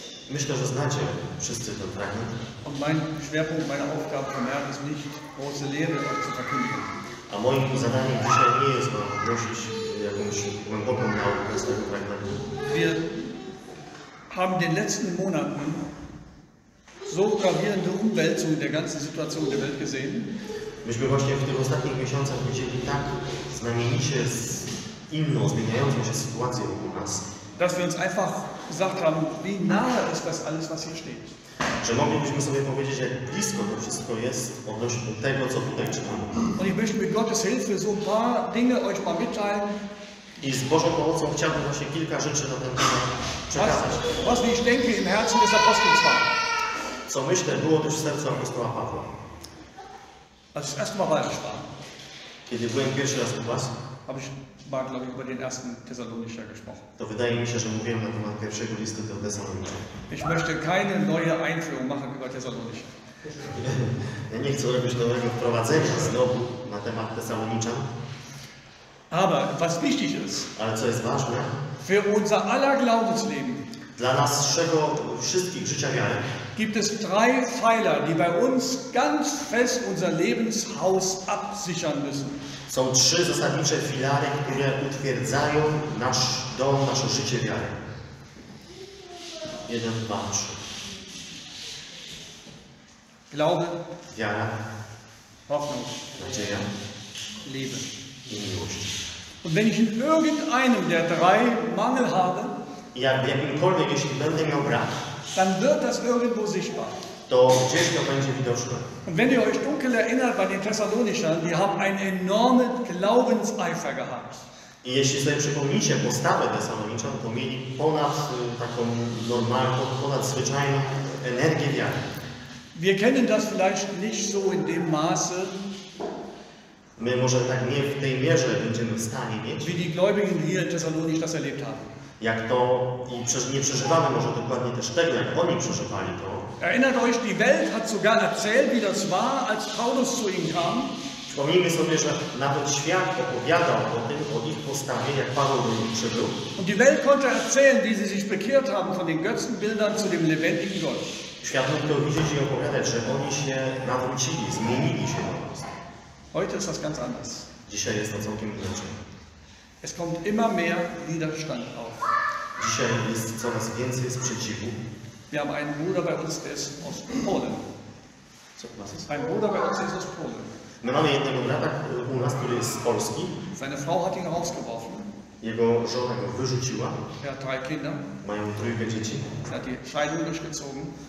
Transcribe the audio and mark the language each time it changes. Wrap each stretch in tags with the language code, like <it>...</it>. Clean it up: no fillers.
<pl>Myślę, że znacie wszyscy ten fragment.</pl> <de>Und mein Schwerpunkt, meine Aufgabe von Herrn ist nicht, große Lehre zu verkündigen.</de> <pl>A moim zadaniem dzisiaj nie jest wam głosić jakąś głęboką naukę z tego fragmentu.</pl> <de>Wir haben den letzten Monaten so gravierende Umwälzung der ganzen Situation der Welt gesehen.</de> <pl>Myśmy właśnie w tych ostatnich miesiącach widzieli tak znamienicie z inną, zmieniającą się sytuację wokół nas.</pl> <de>Dass wir uns einfach gesagt haben, wie nahe ist das alles, was hier steht.</de> <pl>Że moglibyśmy sobie powiedzieć, jak blisko to wszystko jest odnośnie tego, co tutaj czytamy.</pl> <de>Und ich möchte mit Gottes Hilfe so ein paar Dinge euch mal mitteilen.</de> <pl>I z Bożą pomocą chciałbym właśnie kilka rzeczy na ten temat przekazać.</pl> <de>Was ich denke im Herzen des Apostels war.</de> <pl>Co myślę, było też w sercu apostoła Pawła.</pl> <de>Als ich erstmal bei euch war.</de> <pl>Kiedy byłem pierwszy raz u was.</pl> <de>Habe ich mal, glaube ich, über den ersten Thessalonicher gesprochen.</de> <pl>To wydaje mi się, że mówiłem na temat pierwszego listu do Thessalonicza.</pl> <de>Ich möchte keine neue Einführung machen über Thessalonicher.</de> <pl>Ja nie chcę robić nowego wprowadzenia znowu na temat Thessalonicza.</pl> <de>Aber was wichtig ist.</de> <pl>Ale co jest ważne.</pl> <de>Für unser aller Glaubensleben.</de> <pl>Dla naszego wszystkich życia wiary.</pl> <de>Gibt es drei Pfeiler, die bei uns ganz fest unser Lebenshaus absichern müssen.</de> <pl>Są trzy zasadnicze filary, które utwierdzają nasz dom, nasze życie wiary. Jeden, dwa, trzy.</pl> <de>Glaube.</de> <pl>Wiara.</pl> <de>Hoffnung.</de> <pl>Nadzieja.</pl> <de>Liebe.</de> <pl>I miłość.</pl> <de>Und wenn ich in irgendeinem der drei Mangel habe,</de> <pl>ja w jakimkolwiek, jeśli będę miał brak,</pl> <de>dann wird das irgendwo sichtbar.</de> <pl>To gdzieś to będzie widoczne.</pl> <de>Und wenn ihr euch dunkel erinnert bei den Thessalonischern, die haben einen enormen Glaubenseifer gehabt.</de> <pl>I jeśli sobie przypomnicie postawę Thessaloniczan, to mieli ponad taką normalną, ponad zwyczajną energię wiary.</pl> <de>Wir kennen das vielleicht nicht so in dem Maße.</de> <pl>My może tak nie w tej mierze będziemy w stanie mieć.</pl> <de>Wie die Gläubigen hier in Thessalonich das erlebt haben.</de> <pl>Jak to i nie przeżywamy może dokładnie też tego, jak oni przeżywali to.</pl> <de>Erinnert euch, die Welt hat sogar erzählt, wie das war, als Paulus zu ihnen kam.</de> <pl>Przypomnijmy sobie, że nawet świat opowiadał o tym, o ich postawie, jak Paweł do nich przybył.</pl> <de>Und die Welt konnte erzählen, wie sie sich bekehrt haben von den Götzenbildern zu dem lebendigen Gott.</de> <pl>Świat mógł to widzieć i opowiadać, że oni się nawrócili, zmienili się po prostu.</pl> <de>Heute ist das ganz anders.</de> <pl>Dzisiaj jest to całkiem inaczej.</pl> <de>Es kommt immer mehr Widerstand auf.</de> <pl>Dzisiaj jest coraz więcej sprzeciwu.</pl> <de>Wir haben einen Bruder bei uns, der ist aus Polen. Ein Bruder bei uns ist aus Polen.</de> <pl>My mamy jednego brata u nas, który jest z Polski.</pl> <de>Seine Frau hat ihn rausgeworfen.</de> <pl>Jego żona go wyrzuciła.</pl> <de>Er hat drei Kinder.</de> <pl>Mają trójkę dzieci.</pl> <de>Sie hat die Scheidung durchgezogen.</de>